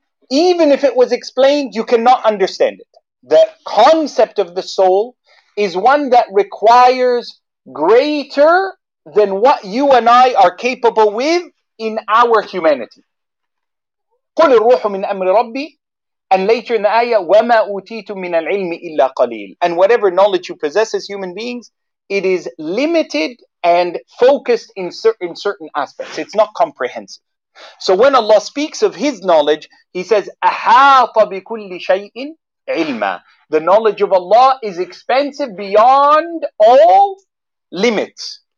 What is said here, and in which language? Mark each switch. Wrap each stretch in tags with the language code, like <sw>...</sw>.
<en>Even if it was explained, you cannot understand it. The concept of the soul is one that requires greater than what you and I are capable with in our humanity.</en> <ar>قُلِ الرُّوحُ مِنْ أَمْرِ رَبِّي. And later in the ayah, وَمَا أُوتِيتُ مِنَ الْعِلْمِ إِلَّا قَلِيلٌ.</ar> <en>And whatever knowledge you possess as human beings, it is limited and focused in certain aspects. It's not comprehensive. So when Allah speaks of His knowledge, He says,</en> <ar>أَحَاطَ بِكُلِّ شَيْءٍ عِلْمًا.</ar> <en>The knowledge of Allah is expansive beyond all limits.</en>